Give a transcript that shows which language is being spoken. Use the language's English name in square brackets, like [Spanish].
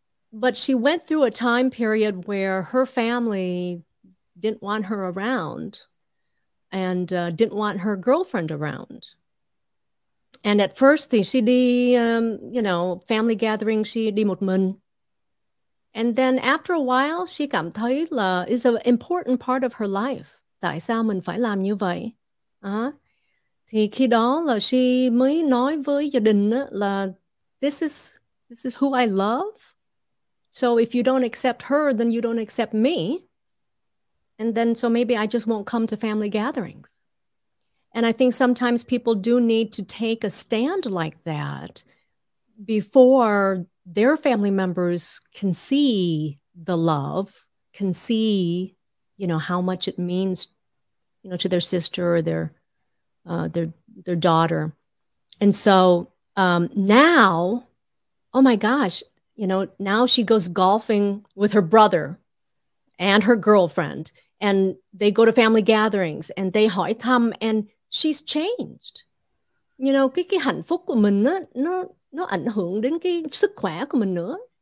[English] But she went through a time period where her family didn't want her around and didn't want her girlfriend around. And at first, she [Vietnamese] đi, [English] you know, family gathering, she [Vietnamese] đi một mình. [English] And then after a while, she [Vietnamese] cảm thấy là [English] is an important part of her life. [Vietnamese] Tại sao mình phải làm như vậy? Thì khi đó là she mới nói với gia đình là [English] this is who I love. So if you don't accept her, then you don't accept me. And then so maybe I just won't come to family gatherings. And I think sometimes people do need to take a stand like that before their family members can see the love, can see, you know, how much it means, you know, to their sister or their daughter. And so now, oh my gosh, you know, now she goes golfing with her brother and her girlfriend, and they go to family gatherings and they [Vietnamese] hỏi thăm, [English] and she's changed. You know, [Vietnamese] cái hạnh phúc của mình đó, nó ảnh hưởng đến cái sức khỏe của mình nữa.